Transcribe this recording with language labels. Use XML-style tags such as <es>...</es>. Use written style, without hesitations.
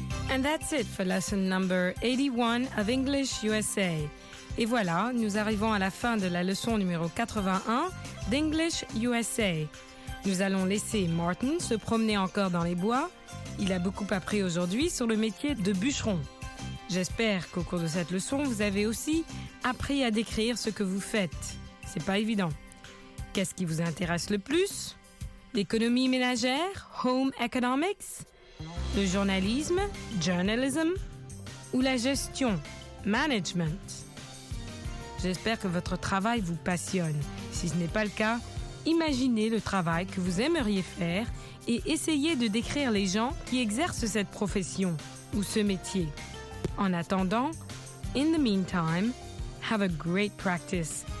<en>And that's it for lesson number 81 of English USA.</en> <fr>Et voilà, nous arrivons à la fin de la leçon numéro 81 d'English USA. Nous allons laisser Martin se promener encore dans les bois Il a beaucoup appris aujourd'hui sur le métier de bûcheron. J'espère qu'au cours de cette leçon, vous avez aussi appris à décrire ce que vous faites. C'est pas évident. Qu'est-ce qui vous intéresse le plus ? L'économie ménagère, home economics ? Le journalisme, journalism ? Ou la gestion, management ? J'espère que votre travail vous passionne. Si ce n'est pas le cas, imaginez le travail que vous aimeriez faire et essayez de décrire les gens qui exercent cette profession ou ce métier. En attendant,</fr> <en>in the meantime, have a great practice.</en>